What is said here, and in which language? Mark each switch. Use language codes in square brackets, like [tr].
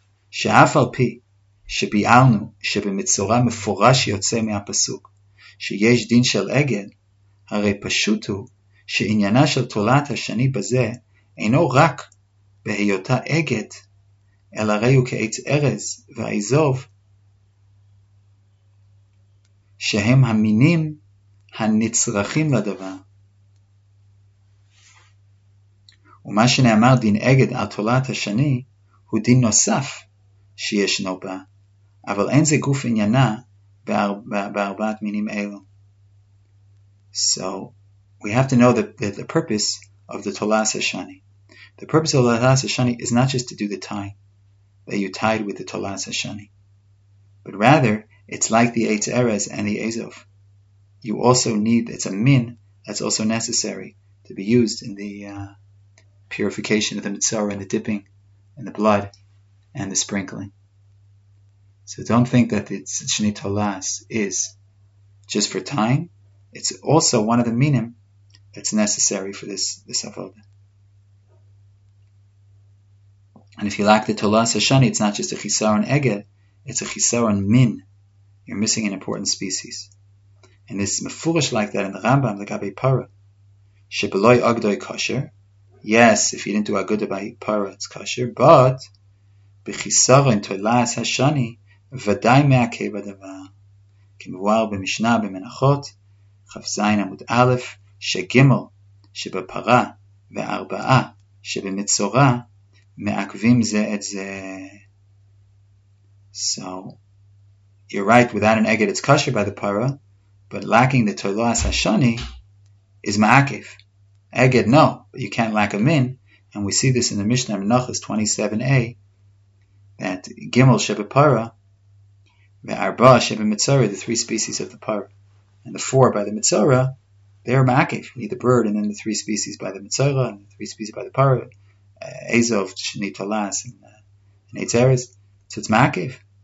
[he] שאף על פי שביארנו שבמצורה מפורש יוצא מהפסוק שיש דין של עגל, הרי פשוט הוא שעניינה של תולעת השני בזה אינו רק בהיותה עגת, אלא הרי הוא כעץ ארז והעזוב, שהם המינים הנצרכים לדבר. ומה שנאמר דין עגת על תולעת השני הוא דין נוסף, שישנו בה, אבל אין זה גוף עניינה בארבעת מינים אלו. [en] So, we have to know that the purpose of the Tolas HaShani. The purpose of the Tolas HaShani is not just to do the tie, that you tied with the Tolas HaShani. But rather, it's like the Eitz Erez and the Ezov. You also need, it's a min that's also necessary to be used in the purification of the Mitzvah and the dipping and the blood. And the sprinkling. So don't think that the Shni Tolas is just for time. It's also one of the minim that's necessary for this avodah. And if you lack the Tolas HaShani, it's not just a chisaron eged, it's a chisaron min. You're missing an important species. And this is mefurish like that in the Rambam, the Gabei Para. Shebeloi agdoi kosher. Yes, if you didn't do aguda by Para, it's kosher, but [he] בחיסרון תולעת השני, ודאי מעכב הדבר. כמבואר במשנה במנחות, כ"ז עמוד א', שגימל שבפרה וארבעה שבמצורה, מעכבים זה את זה. [en] So, you're right, without an egged it's kosher by the para, but lacking the תולעת השני is מעכב. Egged, no, but you can't lack a min, and we see this in the Mishnah Menachos 27a, that Gimel Sheba Parah, the Arba Sheba Mitzorah, the three species of the Parah, and the four by the Mitzorah, they're Ma'akev, the bird, and then the three species by the Mitzorah, and the three species by the Parah, Ezov, Shnei Tolas, and Eitz Erez. So it's Ma'akev.